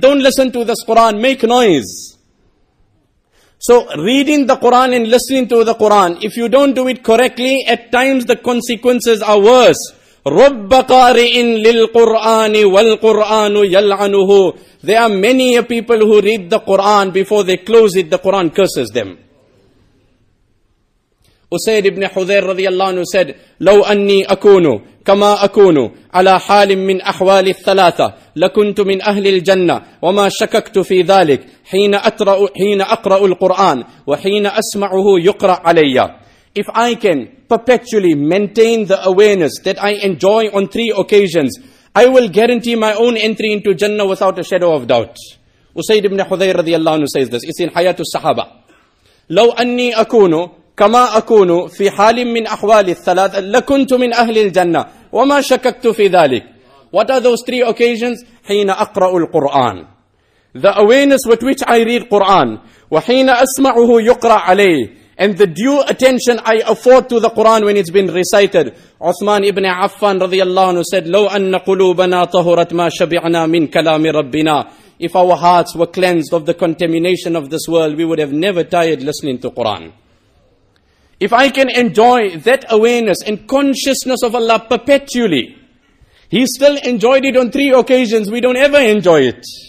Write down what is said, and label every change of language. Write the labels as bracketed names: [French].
[English] Don't listen to this Quran, make noise. So reading the Quran and listening to the Quran, if you don't do it correctly, at times the consequences are worse. [Arabic] رُبَّ قَارِئٍ لِلْقُرْآنِ وَالْقُرْآنُ يَلْعَنُهُ. [English] There are many people who read the Quran, before they close it, the Quran curses them. [Arabic] Usayd ibn Hudayr radiallahu anhu said, لَوْ أَنِّي أَكُونُ كَمَا أَكُونُ عَلَى حَالٍ مِّنْ أَحْوَالِ الثَّلَاثَةِ لَكُنْتُ مِنْ أَهْلِ الْجَنَّةِ وَمَا شَكَكْتُ فِي ذَلِكَ حِينَ أَقْرَأُ الْقُرْآنِ وَحِينَ أَسْمَعُهُ يُقْرَأْ عَلَيَّ. [English] If I can perpetually maintain the awareness that I enjoy on three occasions, I will guarantee my own entry into Jannah without a shadow of doubt. Usayd ibn Hudayr radiallahu anhu says this. It's in Hayatul Sahaba. [Arabic] لَوْ أَنِّي أَكُونُ كَمَا أَكُونُ فِي حَالٍ مِّنْ أَحْوَالِ الثَّلَاثَ لَكُنْتُ مِنْ أَهْلِ الْجَنَّةِ وَمَا شَكَكْتُ فِي ذَلِكَ. [English] What are those three occasions? [Arabic] حِينَ أَقْرَأُ الْقُرْآنِ. [English] The awareness with which I read Qur'an. [Arabic] وَحِينَ أَسْمَعُهُ يُقْرَأْ عَلَيْهِ. [English] and the due attention I afford to the Quran when it's been recited. [Arabic] Uthman ibn Affan radiallahu anhu said, لو أن قلوبنا طهرت ما شبعنا من كلام ربنا. [English] If our hearts were cleansed of the contamination of this world, we would have never tired listening to Quran. If I can enjoy that awareness and consciousness of Allah perpetually, He still enjoyed it on three occasions, we don't ever enjoy it.